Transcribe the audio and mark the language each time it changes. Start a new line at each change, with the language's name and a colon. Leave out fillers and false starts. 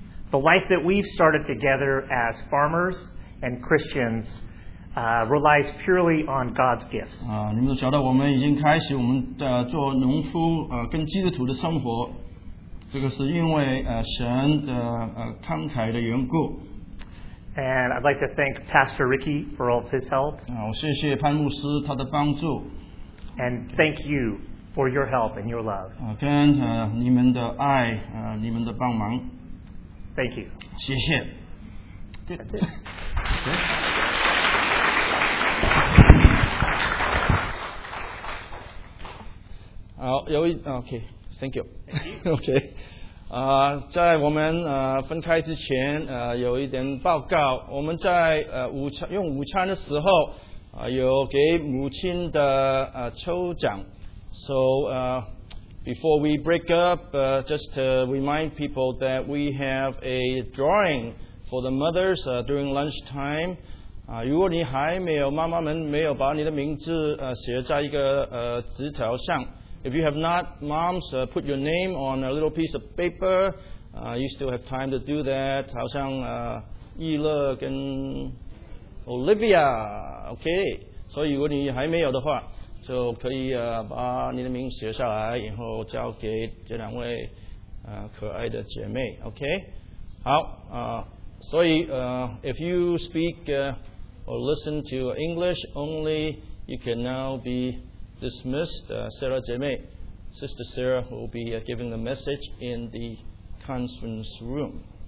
English: The life that we've started together as farmers and Christians relies purely on God's gifts.
Chinese: 你们都晓得我们已经开始我们的做农夫跟基督徒的生活，这个是因为神的慷慨的缘故。
English: And I'd like to thank Pastor Ricky for all of his help.
Chinese: 谢谢潘牧师他的帮助。
English: And thank you for your help and your love.
Chinese: 跟你们的爱，你们的帮忙。
English: Thank you.
Chinese: 谢谢。
English: That's it.
Chinese: 好，有一
English: OK. Thank you. OK.
Chinese: 在我们分开之前有一点报告，我们在午餐用午餐的时候有给母亲的抽奖。
English: So before we break up, just to remind people that we have a drawing for the mothers during lunchtime.
Chinese: 如果你还没有妈妈们没有把你的名字写在一个纸条上
English: ，If you have not, moms put your name on a little piece of paper. You still have time to do that.
Chinese: 好像易乐跟
English: Olivia, OK.
Chinese: 所以如果你还没有的话，就可以把你的名字写下来，然后交给这两位可爱的姐妹 ，OK. 好所以
English: if you speak or listen to English only, you can now be dismissed. Sarah 姐妹 Sister Sarah will be giving the message in the conference room.